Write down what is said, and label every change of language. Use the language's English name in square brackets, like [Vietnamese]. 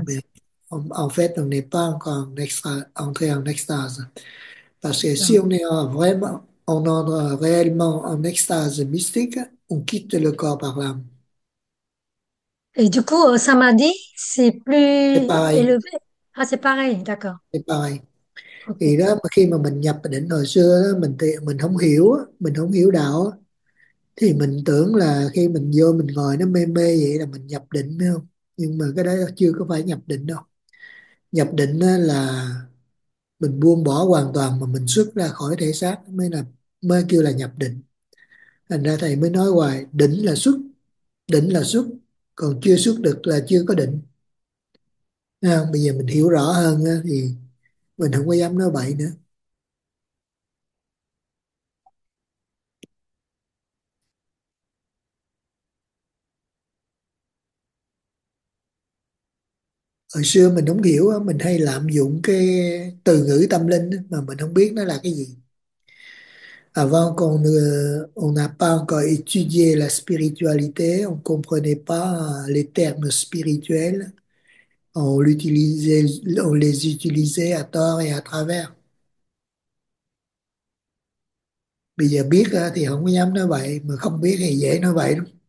[French] Mais en fait, on n'est pas encore entré en extase. Parce que si D'accord. on est on entre réellement en extase mystique, on quitte le corps par l'âme. Et du coup, ça m'a dit, c'est plus C'est pareil. élevé. Ah, c'est pareil, d'accord. C'est pareil. [Vietnamese] Thì [French] Ok. [Vietnamese] đó, khi mà mình nhập định hồi xưa, đó, mình không hiểu đạo, thì mình tưởng là khi mình vô mình ngồi nó mê mê vậy là mình nhập định, phải không? Nhưng mà cái đó chưa có phải nhập định đâu. Nhập định là mình buông bỏ hoàn toàn mà mình xuất ra khỏi thể xác mới kêu là nhập định. Thành ra thầy mới nói hoài, đỉnh là xuất, còn chưa xuất được là chưa có định. À, bây giờ mình hiểu rõ hơn á, thì mình không có dám nói bậy nữa. Hồi xưa mình không hiểu, mình hay lạm dụng cái từ ngữ tâm linh mà mình không biết nó là cái gì. [French] Avant qu'on ne, on n'a pas encore étudié la spiritualité, on comprenait pas les termes spirituels. On les utilisait à tort et à travers. [Vietnamese] Bây giờ biết thì không có dám nói vậy, mà không biết thì dễ nói vậy lắm.